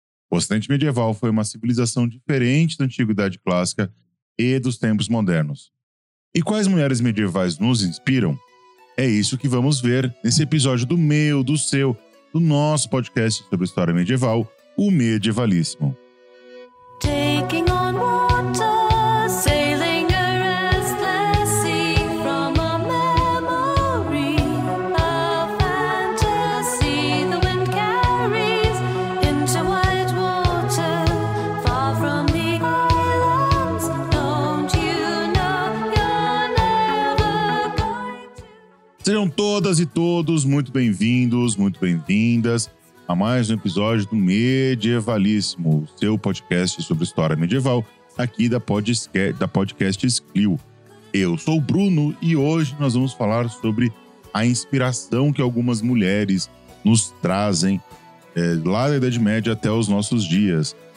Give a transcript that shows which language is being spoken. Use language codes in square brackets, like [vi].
[pt] O Ocidente medieval foi uma civilização diferente da Antiguidade Clássica e dos tempos modernos. E quais mulheres medievais nos inspiram? É isso que vamos ver nesse episódio do meu, do seu, do nosso podcast sobre história medieval, o Medievalíssimo. [en] Taking on water, sailing a restless sea from a memory, a fantasy the wind carries into white water, far from the islands. Don't you know you're never going to. [pt] Sejam todas e todos muito bem-vindos, muito bem-vindas a mais um episódio do Medievalíssimo, seu podcast sobre história medieval, aqui da podcast Clio. Eu sou o Bruno e hoje nós vamos falar sobre a inspiração que algumas mulheres nos trazem lá da Idade Média até os nossos dias.